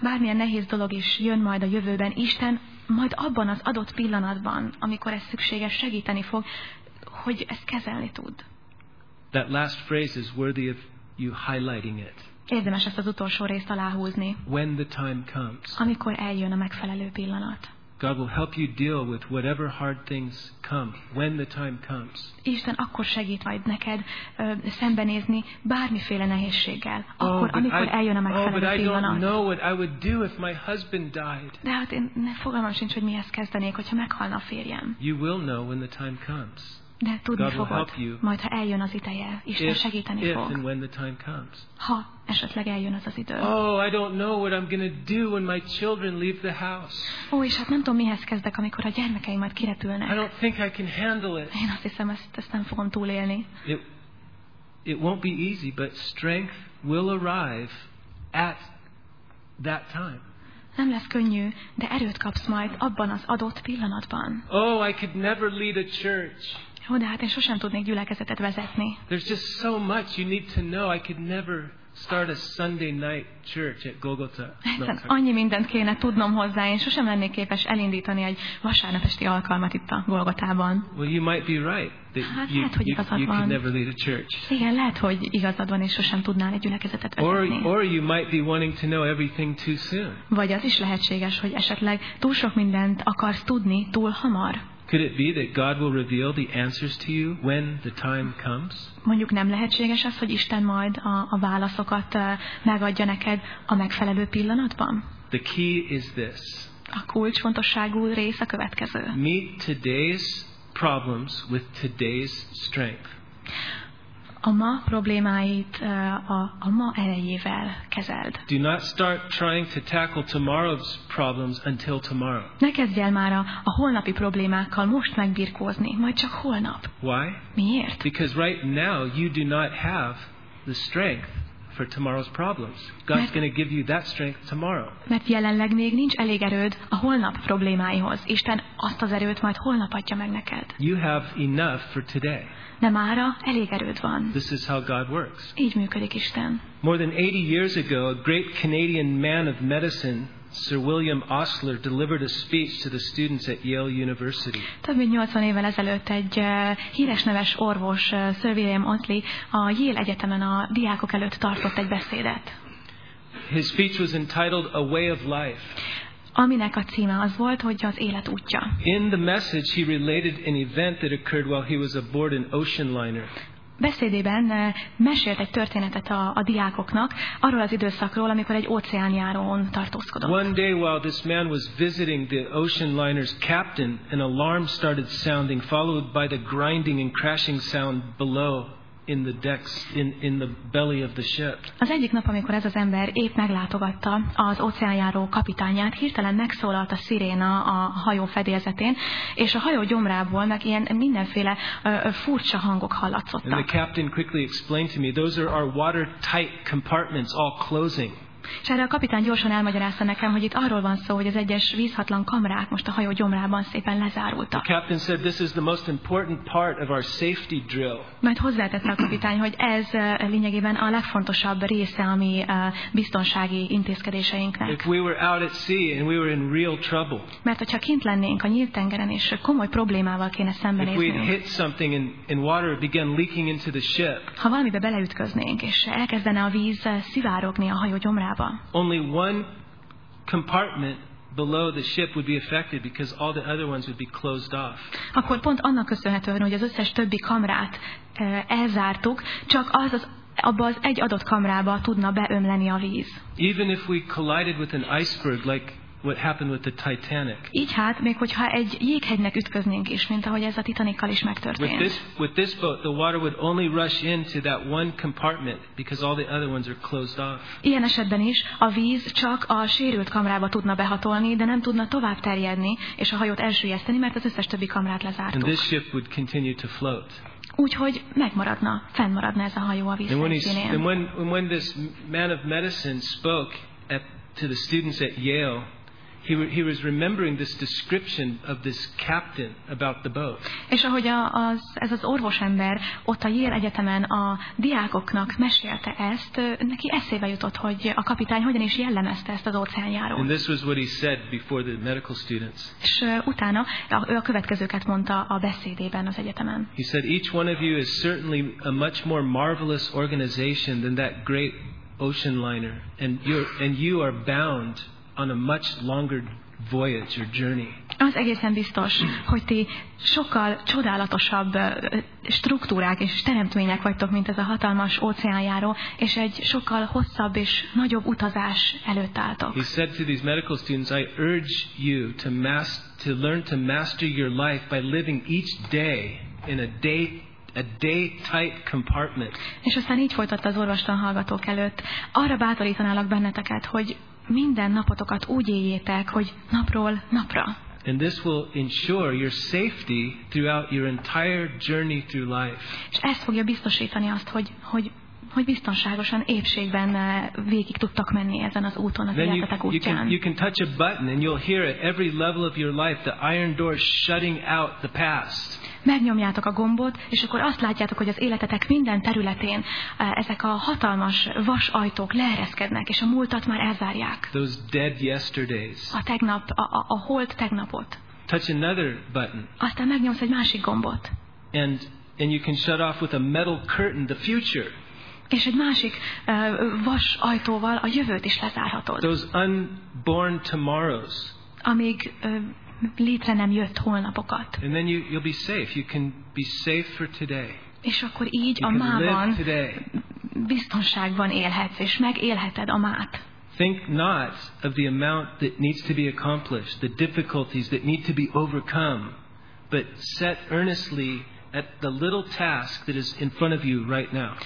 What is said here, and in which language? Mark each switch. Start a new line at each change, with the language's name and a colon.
Hungarian: Bármilyen nehéz dolog is jön majd a jövőben, Isten majd abban az adott pillanatban, amikor ez szükséges, segíteni fog, hogy ezt kezelni tud.
English: That last phrase is worthy of you highlighting it.
Hungarian: Érdemes ezt az utolsó részt aláhúzni.
English: When the time comes.
Hungarian: Amikor eljön a megfelelő pillanat.
English: God will help you deal with whatever hard things come when the time comes.
Hungarian: Isten akkor segít majd neked szembenézni bármiféle nehézséggel, akkor amikor eljön a megfelelő pillanat.
English: Oh, but I don't know what I would do if my husband died.
Hungarian: De hát én ne fogalmam sincs, hogy mihez kezdenék, hogyha meghalna a férjem.
English: You will know when the time comes.
Hungarian: De tudni fogod, majd ha eljön az ideje, Isten segíteni fog.
English: And when the time comes.
Hungarian: Ha esetleg eljön az az idő.
English: Oh, I don't know what I'm going to do when my children leave the house.
Hungarian: Ó, és hát nem tudom, mihez kezdek, amikor a gyermekeim majd kirepülnek.
English: I don't think I can handle it.
Hungarian: Én azt hiszem, ezt nem fogom túlélni.
English: It won't be easy, but strength will arrive at that time.
Hungarian: Nem lesz könnyű, de erőt kapsz majd abban az adott pillanatban.
English: Oh, I could never lead a church.
Hungarian: Hát én sosem tudnék gyülekezetet vezetni.
English: There's just so much you need to know. I could never start a Sunday night church at Golgotha.
Hungarian: Annyi mindent kéne tudnom hozzá, én sosem lennék képes elindítani egy vasárnap esti alkalmat itt a Golgotában.
English: Well, you might be right that you can never lead a church.
Hungarian: Igen, lehet, hogy igazad van, és sosem tudnál egy gyülekezetet vezetni.
English: Or you might be wanting to know everything too soon.
Hungarian: Vagy az is lehetséges, hogy esetleg túl sok mindent akarsz tudni túl hamar.
English: Could it be that God will reveal the answers to you when the time comes?
Hungarian: Mondjuk nem lehetséges az, hogy Isten majd a válaszokat megadja neked a megfelelő pillanatban?
English: The key is this.
Hungarian: A kulcs fontosságú rész a következő.
English: Meet today's problems with today's strength.
Hungarian: A ma problémáit a ma erejével kezeld.
English: Do not start trying to tackle tomorrow's problems until tomorrow.
Hungarian: Ne kezdj el már a holnapi problémákkal most megbirkózni, majd csak holnap.
English: Why?
Hungarian: Miért?
English: Because right now you do not have the strength for tomorrow's problems. God's going to give you that strength tomorrow.
Hungarian: Mert jelenleg még nincs elég erőd a holnap problémáihoz. Isten azt az erőt majd holnap adja meg neked.
English: You have enough for today.
Hungarian: De mára elég erőd van.
English: This is how God works.
Hungarian: Így működik Isten.
English: More than 80 years ago, a great Canadian man of medicine, Sir William Osler, delivered a speech to the students at Yale University.
Hungarian: Több mint 80 évvel ezelőtt egy híres neves orvos, Sir William Osler, a Yale Egyetemen a diákok előtt tartott egy beszédet.
English: His speech was entitled A Way of Life.
Hungarian: Aminek a címe az volt, hogy az élet útja.
English: In the message he related an event that occurred while he was aboard an ocean liner.
Hungarian: Beszédében mesélt egy történetet a diákoknak arról az időszakról, amikor egy óceánjárón tartózkodott.
English: One day while this man was visiting the ocean liner's captain, an alarm started sounding, followed by the grinding and crashing sound below. In the decks, in the belly of the ship.
Hungarian: Az egyik nap, amikor ez az ember épp meglátogatta az óceánjáró kapitányát, hirtelen megszólalt a sziréna a hajó fedélzetén, és a hajó gyomrából meg ilyen mindenféle furcsa hangok hallatszottak.
English: And the captain quickly explained to me, those are our watertight compartments all closing.
Hungarian: És erre a kapitány gyorsan elmagyarázta nekem, hogy itt arról van szó, hogy az egyes vízhatlan kamrák most a hajó gyomrában szépen lezárultak.
English: The captain said this is the most important part of our safety drill.
Hungarian: Majd hozzátette a kapitány, hogy ez lényegében a legfontosabb része a mi biztonsági intézkedéseinknek.
English: If we were out at sea and we were in real trouble.
Hungarian: Mert hogyha kint lennénk a nyílt tengeren és komoly problémával kéne szembenéznünk.
English: If we'd hit something and water began leaking into the ship.
Hungarian: Ha valamibe beleütköznénk és elkezdene a víz szivárogni a hajó gyomrában.
English: Only one compartment below the ship would be affected because all the other ones would be closed off.
Hungarian: Akkor pont annak köszönhetően, hogy az összes többi kamrát elzártuk, csak abba az egy adott kamrába tudna beömleni a víz.
English: Even if we collided with an iceberg like what happened with the Titanic.
Hungarian: Így hát, még hogyha egy jéghegynek ütköznénk is, mint ahogy ez a Titanickal is megtörtént.
English: With this boat, the water would only rush into that one compartment because all the other ones are closed off.
Hungarian: Ilyen esetben is a víz csak a sérült kamrába tudna behatolni, de nem tudna tovább terjedni és a hajót elsüllyeszteni, mert az összes többi kamrát lezártuk.
English: And this ship would continue to float.
Hungarian: Úgyhogy megmaradna, fennmaradna ez a hajó a víz szintjén.
English: And when this man of medicine spoke to the students at Yale, He was remembering this description of this captain about the boat.
Hungarian: És ahogy ez az orvosember ott a Yale Egyetemen a diákoknak mesélte ezt, neki eszébe jutott, hogy a kapitány hogyan is jellemezte ezt az óceánjárót.
English: And this was what he said before the medical students.
Hungarian: És utána ő a következőket mondta a beszédében az egyetemen.
English: He said, each one of you is certainly a much more marvelous organization than that great ocean liner, and you are bound on a much longer voyage or journey.
Hungarian: Az egészen biztos, hogy ti sokkal csodálatosabb struktúrák és teremtmények vagytok, mint ez a hatalmas óceánjáró, és egy sokkal hosszabb és nagyobb utazás előtt álltok.
English: He said to these medical students, I urge you to learn to master your life by living each day in a day-tight compartment.
Hungarian: És aztán így folytatta az orvostan hallgatók előtt, arra bátorítanálak benneteket, hogy minden napotokat úgy éljétek, hogy napról napra.
English: And this will ensure your safety throughout your entire journey through life.
Hungarian: És ez fogja biztosítani azt, hogy hogy biztonságosan épségben végig tudtak menni ezen az úton, az életetek útján.
English: You can touch a button and you'll hear at every level of your life the iron door shutting out the past.
Hungarian: Megnyomjátok a gombot, és akkor azt látjátok, hogy az életetek minden területén ezek a hatalmas vas ajtók leereszkednek, és a múltat már elzárják.
English: Those dead yesterdays.
Hungarian: A tegnap, a holt tegnapot.
English: Touch another button.
Hungarian: Aztán megnyomsz egy másik gombot.
English: And you can shut off with a metal curtain the future.
Hungarian: És egy másik vas ajtóval a jövőt is lezárhatod.
English: Those unborn tomorrows.
Hungarian: Amíg létre nem jött holnapokat.
English: And then you'll be safe. You can be safe for today.
Hungarian: És akkor így a mában biztonságban élhetsz, és megélheted a mát.
English: Think not of the amount that needs to be accomplished, the difficulties that need to be overcome, but set earnestly at the little task that is in front of you right now.